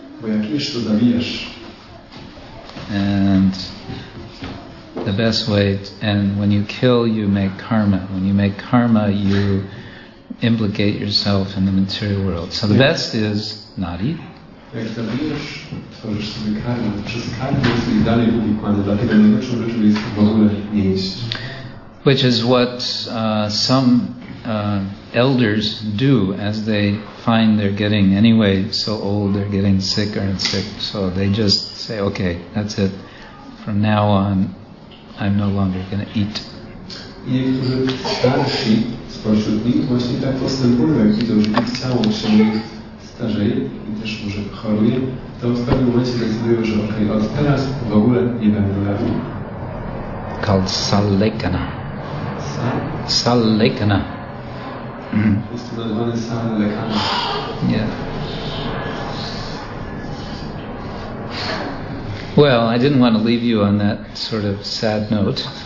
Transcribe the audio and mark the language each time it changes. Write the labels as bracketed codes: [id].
[en] And the best way, and when you kill, you make karma. When you make karma, you implicate yourself in the material world. So the best is not eat. [pl] Jak zabijesz, tworzysz sobie karmę. Przez karmę jest mi dalej uwikłany, dlatego najlepszą rzeczą jest w ogóle nie jeść. [en] Which is what some elders do as they find they're getting anyway so old, they're getting sicker and sick, so they just say, okay, that's it. From now on, I'm no longer going to eat. [pl] Niektórzy starsi spośród nich właśnie tak postępują, jak widzą, że ich ciało się starzeje i też może choruje, to w pewnym momencie decydują, że okej, od teraz w ogóle nie będę jadł. [en] Called sallekana. Sallekana. [pl] Jest to nazywane sallekana. [en] Well, I didn't want to leave you on that sort of sad note.